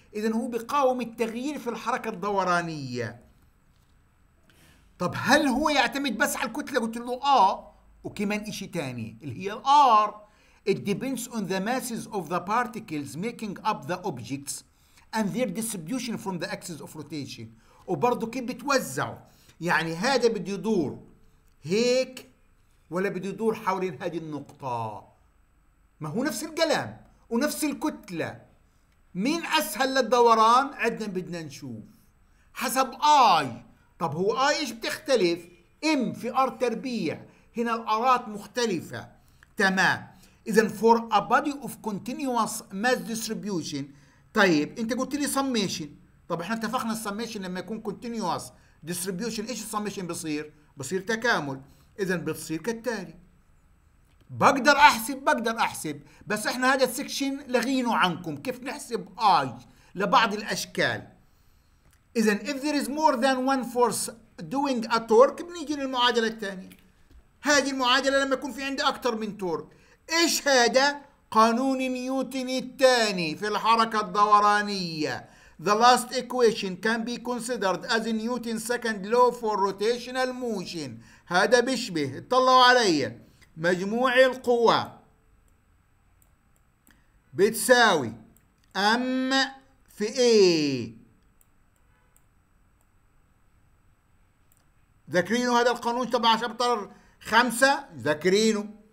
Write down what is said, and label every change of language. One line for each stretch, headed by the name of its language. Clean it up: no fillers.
Arabic: إذن هو بيقاوم التغيير في الحركة الدورانية. طب هل هو يعتمد بس على الكتلة؟ قلت له آه. وكمان إشي تاني اللي هي الآر.
English: It depends on the masses of the particles making up the objects and their distribution from the axis of rotation.
Arabic: وبرضو كيف بتوزع؟ يعني هذا بده يدور هيك ولا بده يدور حول هذه النقطة؟ ما هو نفس القلم ونفس الكتلة. مين أسهل للدوران؟ عدنا بدنا نشوف حسب آي. طب هو آي إيش بتختلف؟ إم في آر تربيع، هنا الآرات مختلفة. تمام. إذن
English: for a body of continuous mass distribution.
Arabic: طيب أنت قلت لي summation. طب إحنا اتفقنا summation لما يكون continuous distribution إيش summation بصير؟ بصير تكامل. إذن بتصير كالتالي. بقدر أحسب بس إحنا هذا السكشن لغينه عنكم. كيف نحسب I لبعض الأشكال؟ إذن
English: if there is more than one force doing a torque
Arabic: بنيجي للمعادلة الثانية. هذه المعادلة لما يكون في عندي أكثر من تورك. إيش هذا؟ قانون نيوتن الثاني في الحركة الدورانية.
English: The last equation can be considered as Newton's second law for rotational motion.
Arabic: هذا بيشبه، اطلعوا علي، مجموع القوى بتساوي M في A. ذاكرينه هذا القانون تبع شابتر 5؟ ذاكرينه.